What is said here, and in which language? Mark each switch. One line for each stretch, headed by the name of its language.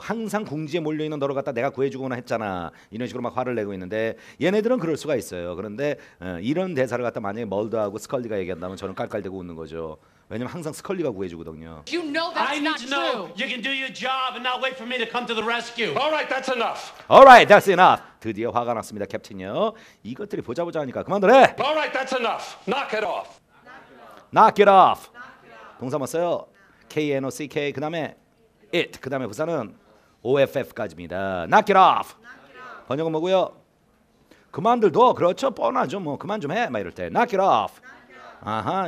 Korean: 항상 궁지에 몰려있는 너를 갖다 내가 구해주거나 했잖아. 이런 식으로 막 화를 내고 있는데 얘네들은 그럴 수가 있어요. 그런데 이런 대사를 갖다 만약에 멀더하고 스컬리가 얘기한다면 저는 깔깔대고 웃는 거죠. 왜냐면 항상 스컬리가 구해주거든요.
English: You know that's not true. I need to know. You can do your job and not wait for me to come to the rescue. All right, that's enough. All right, that's enough.
Korean: 드디어 화가 났습니다, 캡틴이요. 이것들이 보자 보자 하니까 그만둬라.
English: All right, that's enough. Knock it off. Knock it off.
Korean: 동사 뭐 써요? K-N-O-C-K. 그 다음에 it. 그 다음에 부사는 off까지입니다.
English: Knock it off.
Korean: 번역은 뭐고요? 그만둘둬. 그렇죠. 뻔하죠. 뭐 그만 좀 해. 막 이럴 때. Knock it off. 아하.